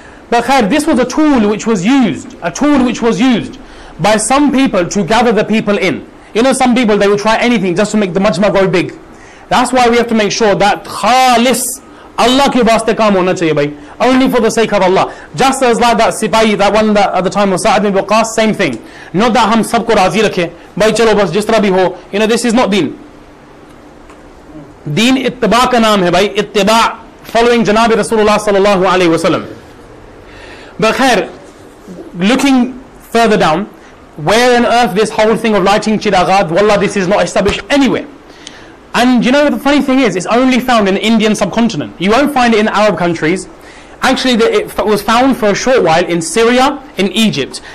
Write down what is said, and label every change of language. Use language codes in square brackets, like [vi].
[en] But khair, this was a tool which was used by some people to gather the people in. You know, some people, they would try anything just to make the majma go big. That's why we have to make sure that [ur] khalis Allah ki waste kaam hona chahiye bhai, [en] only for the sake of Allah. Just as like that sipahi, that one that at the time of Sa'd ibn Waqqas, same thing. Not that [ur] ہم سبکو راضی رکھے، بھائی چلو بس جس طرح بھی ہو۔ [en] You know, this is not deen. [ur] دین اتباع کا نام ہے بھائی، اتباع، [en] following [ur] Janabi Rasulullah sallallahu alayhi wasallam. [en] But khair, looking further down, where on earth this whole thing of lighting chiragad, wallah, this is not established anywhere. And you know, the funny thing is, it's only found in the Indian subcontinent. You won't find it in Arab countries. Actually, it was found for a short while in Syria, in Egypt.